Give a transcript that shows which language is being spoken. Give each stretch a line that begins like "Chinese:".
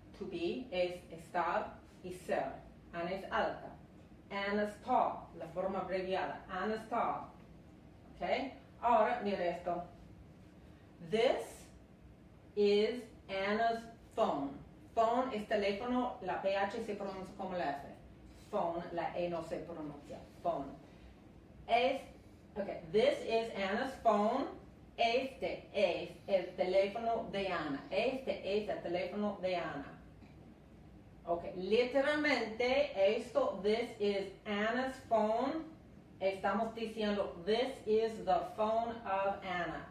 English: To be
Spanish: es estar y ser. Ana es alta.
English: Ana's tall.
Spanish: La forma abreviada.
English: Ana's tall.
Spanish: Ok. Ahora, mira esto.
English: This is Ana's phone.
Spanish: Phone es teléfono. La PH se pronuncia como la F. Phone. La E no se pronuncia. Phone. Es.
English: Okay, this is Anna's phone.
Spanish: Este es el teléfono de Anna. Este es el teléfono de Anna. Okay, literalmente esto,
English: this is Anna's phone.
Spanish: Estamos diciendo,
English: this is the phone of Anna.